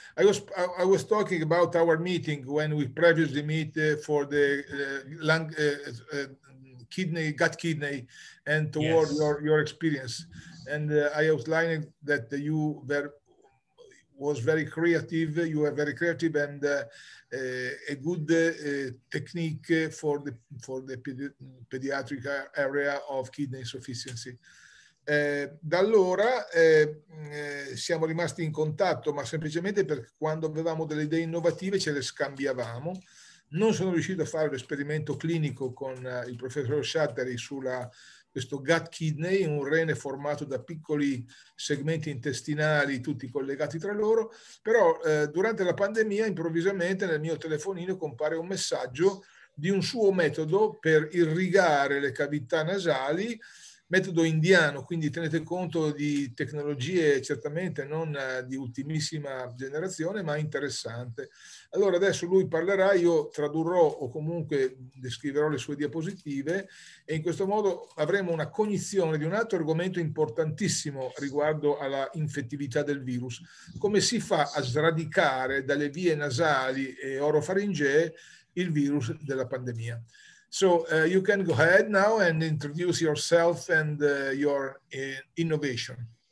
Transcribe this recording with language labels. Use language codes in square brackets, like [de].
[en] I was talking about our meeting when we previously meet for the lung kidney, gut kidney, and toward yes. your experience. And I outlined that you was very creative. You are very creative and a good technique for the pediatric area of kidney insufficiency. [it] Da allora siamo rimasti in contatto, ma semplicemente perché quando avevamo delle idee innovative ce le scambiavamo. Non sono riuscito a fare l'esperimento clinico con il professor Chatterjee sulla questo gut kidney, un rene formato da piccoli segmenti intestinali tutti collegati tra loro, però durante la pandemia improvvisamente nel mio telefonino compare un messaggio di un suo metodo per irrigare le cavità nasali, metodo indiano, quindi tenete conto di tecnologie certamente non di ultimissima generazione, ma interessante. Allora adesso lui parlerà, io tradurrò o comunque descriverò le sue diapositive e in questo modo avremo una cognizione di un altro argomento importantissimo riguardo alla infettività del virus. Come si fa a sradicare dalle vie nasali e orofaringee il virus della pandemia? [en] So you can go ahead now and introduce yourself and your innovation.